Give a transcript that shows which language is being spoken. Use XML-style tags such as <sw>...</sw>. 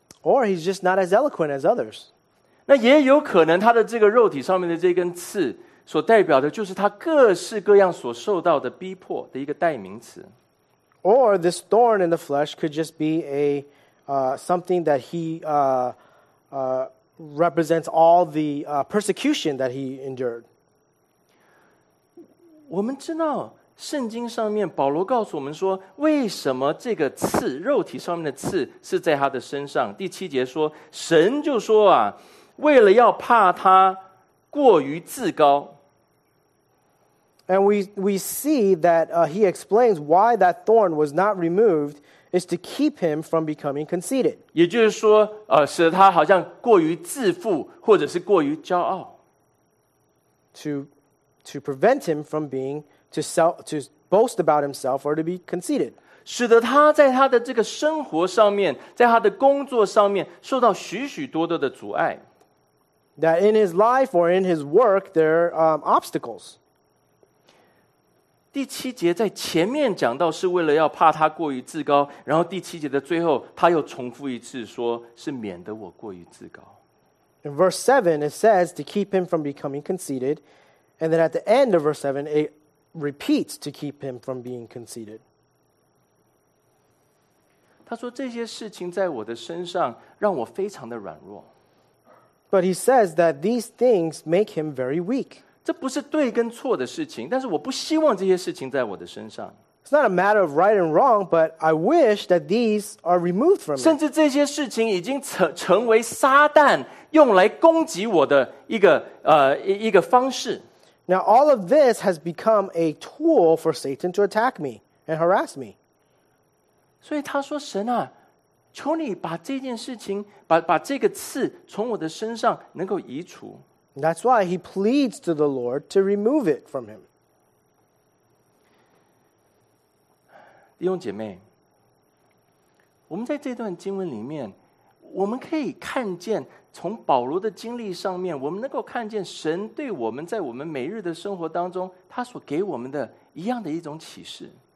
<en>Or he's just not as eloquent as others.</en> <zh>那也有可能他的这个肉体上面的这根刺所代表的就是他各式各样所受到的逼迫的一个代名词。</zh> <en>Or this thorn in the flesh could just be a something that he represents all the persecution that he endured.</en> <zh>我们知道圣经上面保罗告诉我们说为什么这个刺肉体上面的刺是在他的身上第七节说神就说啊为了要怕他过于自高</zh> <en>And we see that he explains why that thorn was not removed is to keep him from becoming conceited</en> <zh>也就是说使他好像过于自负或者是过于骄傲</zh> <en>To prevent him from beingto boast about himself or to be conceited.</en> <zh>使得他在他的这个生活上面在他的工作上面受到许许多多的阻碍。</zh> <en>That in his life or in his work, there are obstacles.</en> <zh>第七节在前面讲到是为了要怕他过于自高然后第七节的最后他又重复一次说是免得我过于自高。</zh> <en>In verse 7, it says to keep him from becoming conceited and then at the end of verse 7, itrepeats to keep him from being conceited.</en> <zh>他说这些事情在我的身上让我非常的软弱。</zh> <en>But he says that these things make him very weak.</en> <zh>这不是对跟错的事情但是我不希望这些事情在我的身上。</zh> <en>It's not a matter of right and wrong, but I wish that these are removed from me.</en> <zh>甚至这些事情已经成为撒旦用来攻击我的一个方式。</zh> <en>Now all of this has become a tool for Satan to attack me and harass me.</en> <zh>所以他说神啊求你把这件事情 把这个刺从我的身上能够移除。</zh> <en>That's why he pleads to the Lord to remove it from him.</en> <zh>弟兄姐妹我们在这段经文里面我们可以看见从保罗的经历上面我们能够看见神对我们在我们每日的生活当中他所给我们的一样的一种启示。</zh>